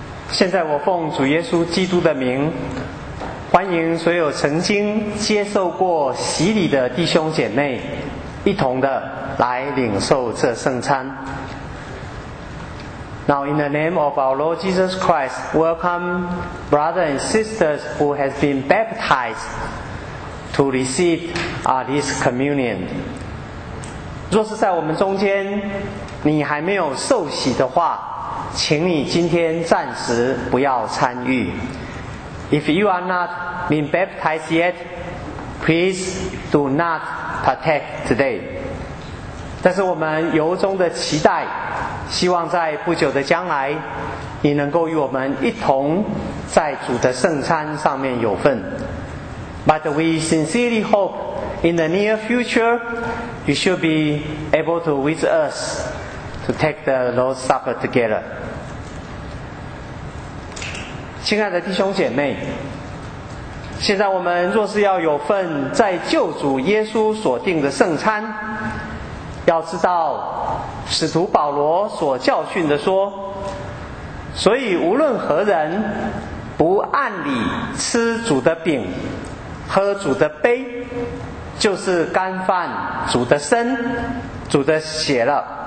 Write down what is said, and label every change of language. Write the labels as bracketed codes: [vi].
[zh] 现在我奉主耶稣基督的名，欢迎所有曾经接受过洗礼的弟兄姐妹，一同的来领受这圣餐。 [en] Now in the name of our Lord Jesus Christ, welcome brothers and sisters who have been baptized to receive this communion. [zh] 若是在我们中间你还没有受洗的话，请你今天暂时不要参与。 [en] If you are not been baptized yet, please do not partake today. [zh] 但是我们由衷的期待，希望在不久的将来你能够与我们一同在主的圣餐上面有份。 [en] But we sincerely hope in the near future you should be able to with us to take the Lord's Supper together. [zh] 亲爱的弟兄姐妹，现在我们若是要有份在救主耶稣所定的圣餐，要知道使徒保罗所教训的说，所以无论何人不按理吃主的饼喝主的杯，就是干犯主的身主的血了。